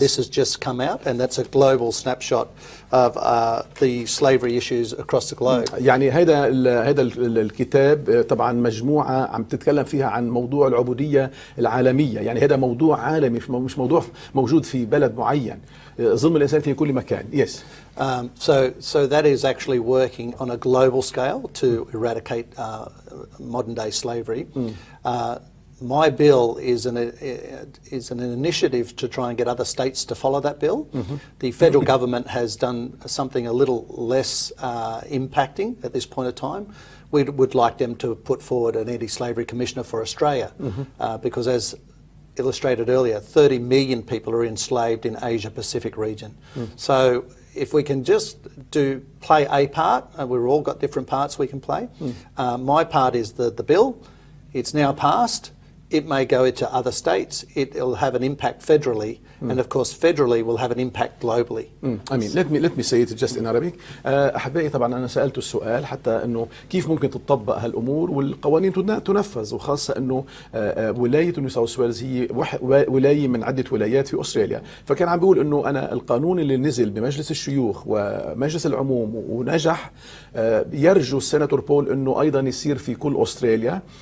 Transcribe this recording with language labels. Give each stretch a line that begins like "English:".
English: This has just come out, and that's a global snapshot of the slavery issues across the globe.
Arabic: يعني هذا الكتاب طبعا مجموعة عم تتكلم فيها عن موضوع العبودية العالمية. يعني هذا موضوع عالمي، مش موضوع موجود في بلد معين. ظلم الإنسان في كل مكان. Yes.
English: So that is actually working on a global scale to eradicate modern day slavery. Mm. My bill is an initiative to try and get other states to follow that bill. Mm-hmm. The federal government has done something a little less impacting at this point of time. We would like them to put forward an anti-slavery commissioner for Australia, mm-hmm. Because as illustrated earlier, 30 million people are enslaved in Asia Pacific region. Mm. So if we can just play a part, and we've all got different parts we can play. Mm. My part is the bill. It's now passed. It may go into other states. It'll have an impact federally, mm. and of course, federally will have an impact globally. Mm. I mean, let me say it just in Arabic.
Arabic: أحبائي طبعاً أنا سألت السؤال حتى إنه كيف ممكن تطبق هالأمور والقوانين تنفذ، وخاصة إنه ولاية نيو ساوث ويلز هي ولاية من عدة ولايات في أستراليا. فكان عم بيقول إنه أنا القانون اللي نزل بمجلس الشيوخ ومجلس العموم ونجح، يرجو السيناتور بول إنه أيضاً يصير في كل أستراليا.